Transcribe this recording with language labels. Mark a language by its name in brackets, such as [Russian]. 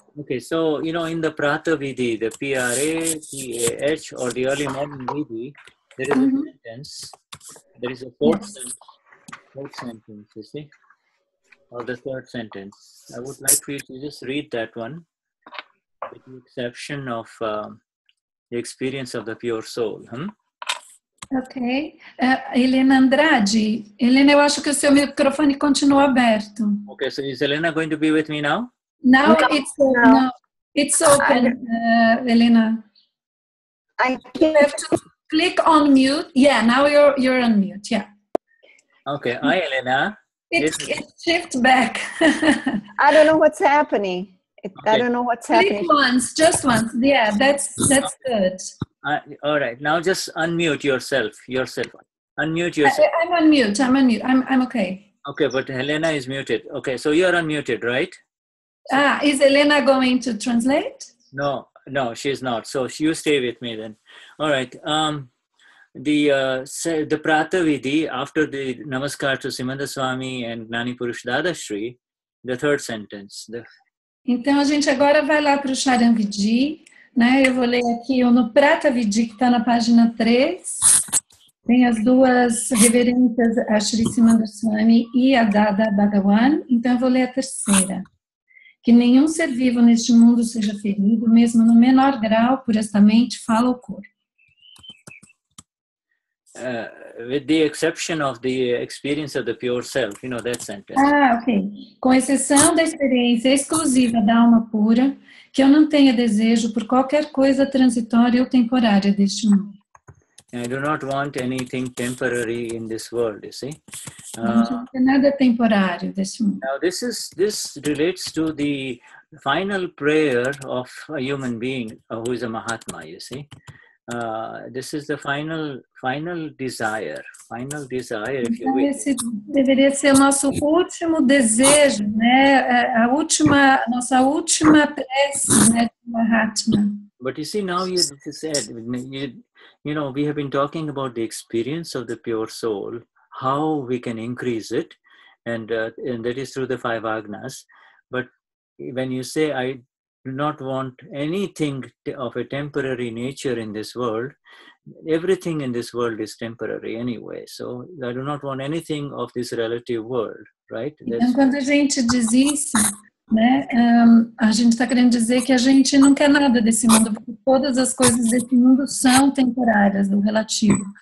[English] Okay, so, you know, in the Pratavidhi, the P-R-A-T-A-H, or the early modern Vidhi, there is a sentence, there is a fourth sentence, fourth sentence, you see, or the third sentence. I would like for you to just read that one, with the exception of the experience of the pure soul. Okay. Helena Andrade. [Portuguese] Helena, eu acho que o seu microfone continua aberto. [English] Okay, so is Helena going to be with me now? Now it's open, Helena. I can have to click on mute. Yeah, now you're on mute. Yeah. Okay. Hi, Helena. It shift back. I don't know what's happening. Okay. I don't know what's click happening. Click once, just once. Yeah, that's good. All right. Now just unmute yourself. Unmute yourself. I'm on mute. I'm okay. Okay, but Helena is muted. Okay, so you're unmuted, right? Is Helena going to translate? No, she's not. So you stay with me then. All right. The Prata Vidhi, after the Namaskar to Simanda Swami and Gnani Purush Dadashri, the third sentence. [Portuguese] Então a gente agora vai lá para o Charan Vidhi, né? Eu vou ler aqui o no Prata Vidhi, que está na página 3. Tem as duas reverências, a Shri Simanda Swami e a Dada Bhagavan. Então eu vou ler a terceira. Que nenhum ser vivo neste mundo seja ferido, mesmo no menor grau, por esta mente, fala ou corpo. [English] With the exception of the experience of the pure self, you know that sentence. Ah, okay. [Portuguese] Com exceção da experiência exclusiva da alma pura, que eu não tenha desejo por qualquer coisa transitória ou temporária deste mundo. [English] I do not want anything temporary in this world, you see. [Portuguese] Nada temporário deste mundo. [English] Now this relates to the final prayer of a human being who is a Mahatma, you see. This is the final desire, if you will. [Portuguese] Esse deveria ser nosso último desejo, né? Nossa última prece, né, Mahatma. [English] But you see, now you said, you know, we have been talking about the experience of the pure soul, how we can increase it, and that is through the five agnas. But when you say, I do not want anything of a temporary nature in this world, everything in this world is temporary anyway. So I do not want anything of this relative world, right? [Portuguese] Então, quando a gente diz isso, né, a gente está querendo dizer que a gente não quer nada desse mundo, porque todas as coisas desse mundo são temporárias, do relativo.